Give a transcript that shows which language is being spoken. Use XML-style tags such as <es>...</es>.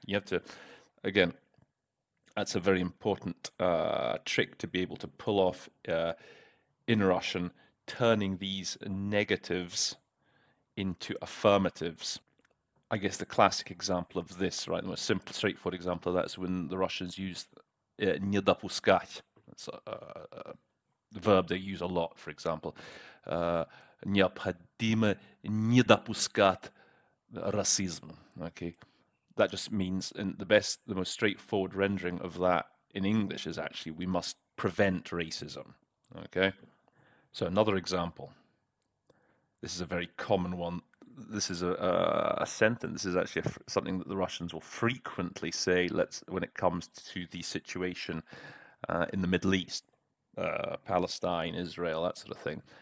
<en>You have to, again, that's a very important trick to be able to pull off in Russian, turning these negatives into affirmatives. I guess the classic example of this, right, the most simple, straightforward example of that is when the Russians use</en> <ru>не допускать.</ru> <en>That's a verb they use a lot, for example.</en> <ru>Необходимо не допускать расизм.</ru> <en>Okay. That just means, and the most straightforward rendering of that in English is actually, we must prevent racism, okay? So another example. This is a very common one. This is a sentence. This is actually something that the Russians will frequently say when it comes to the situation in the Middle East, Palestine, Israel, that sort of thing.</en>